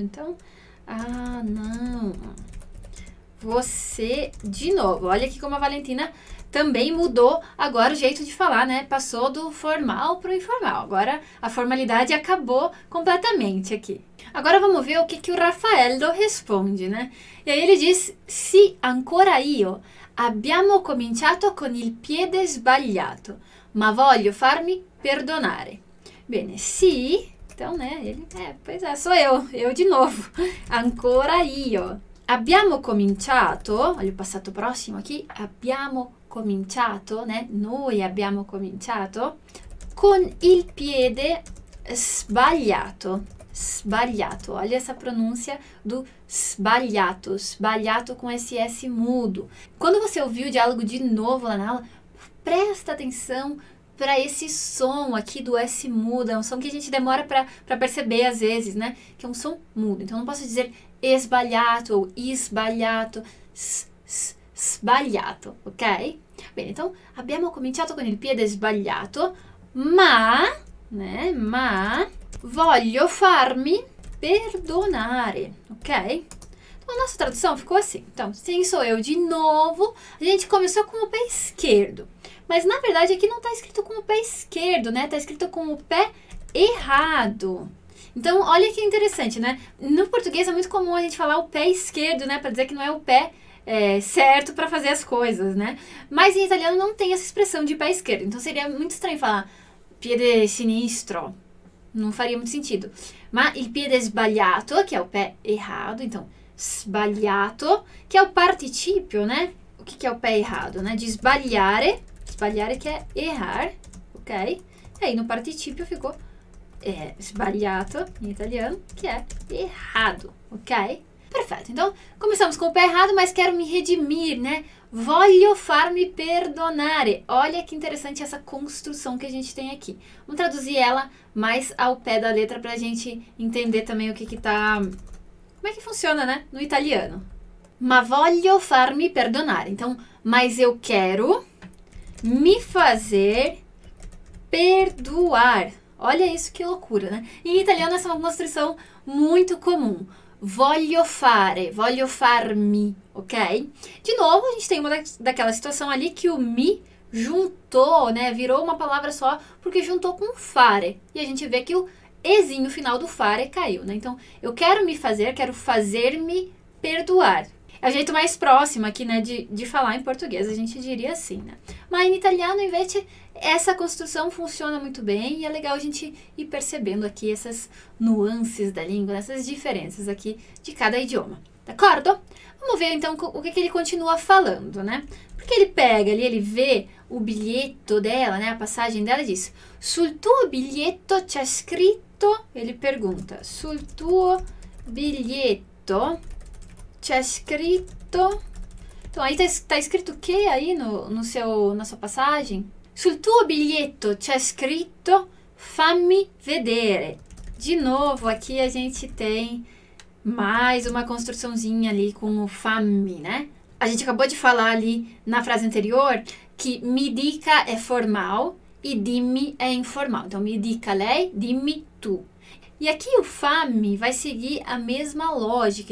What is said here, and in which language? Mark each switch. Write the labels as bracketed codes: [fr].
[pt] Então, não. Você de novo. Olha aqui como a Valentina... Também mudou agora o jeito de falar, né? Passou do formal para o informal. Agora, a formalidade acabou completamente aqui. Agora, vamos ver o que o Raffaello responde, né? E aí, ele diz, [it] sì, ancora io, abbiamo cominciato con il piede sbagliato, ma voglio farmi perdonare. [pt] Bene, sì, então, né? Ele, pois é, sou eu de novo. [it] Ancora io, Abbiamo cominciato, voglio passato prossimo, chi? Abbiamo cominciato, né? Noi abbiamo cominciato con il piede sbagliato. [pt] Sbagliato, olha essa pronúncia do sbagliato, sbagliato com SS mudo. Quando você ouvir o diálogo de novo lá na aula, presta atenção para esse som aqui do S mudo. É um som que a gente demora para perceber às vezes, né? Que é um som mudo. Então não posso dizer sbagliato ou sbagliato, sbagliato, ok? [it] Bem, então abbiamo cominciato con il piede sbagliato, ma, né? Ma voglio farmi perdonare, ok? [pt] Então, a nossa tradução ficou assim. Então, sim, sou eu de novo. A gente começou com o pé esquerdo. Mas, na verdade, aqui não está escrito com o pé esquerdo, né? Está escrito com o pé errado. Então, olha que interessante, né? No português é muito comum a gente falar o pé esquerdo, né? Para dizer que não é o pé certo para fazer as coisas, né? Mas em italiano não tem essa expressão de pé esquerdo. Então, seria muito estranho falar [it] piede sinistro. [pt] Não faria muito sentido. Mas [it] il piede sbagliato, [pt] que é o pé errado, então, sbagliato, que é o participio, né? O que é o pé errado, né? De sbagliare, sbagliare que é errar, ok? E aí no participio ficou sbagliato, em italiano, que é errado, ok? Perfeito, então, começamos com o pé errado, mas quero me redimir, né? [it] Voglio farmi perdonare. [pt] Olha que interessante essa construção que a gente tem aqui. Vamos traduzir ela mais ao pé da letra para a gente entender também o que está... Como é que funciona, né? No italiano. [it] Ma voglio farmi perdonare. [pt] Então, mas eu quero me fazer perdoar. Olha isso, que loucura, né? Em italiano, essa é uma construção muito comum. [it] Voglio fare, voglio farmi, ok? [pt] De novo, a gente tem uma daquela situação ali que o mi juntou, né? Virou uma palavra só porque juntou com fare. E a gente vê que o ezinho final do fare caiu, né? Então, eu quero me fazer, quero fazer-me perdoar. É o jeito mais próximo aqui, né? De falar em português, a gente diria assim, né? Mas em italiano, invece, essa construção funciona muito bem e é legal a gente ir percebendo aqui essas nuances da língua, essas diferenças aqui de cada idioma. D'accordo? Vamos ver, então, o que ele continua falando, né? Porque ele pega ali, ele vê o bilhete dela, né? A passagem dela e diz, [it] sul tuo biglietto c'è scritto, [pt] ele pergunta, [it] sul tuo biglietto c'è scritto... [pt] Então, aí tá escrito o quê aí na sua passagem? [it] Sul tuo biglietto c'è scritto fammi vedere. [pt] De novo, aqui a gente tem mais uma construçãozinha ali com o fammi, né? A gente acabou de falar ali na frase anterior que mi dica é formal e dimmi é informal. Então, [it] mi dica lei, dimmi tu. [pt] E aqui o fammi vai seguir a mesma lógica.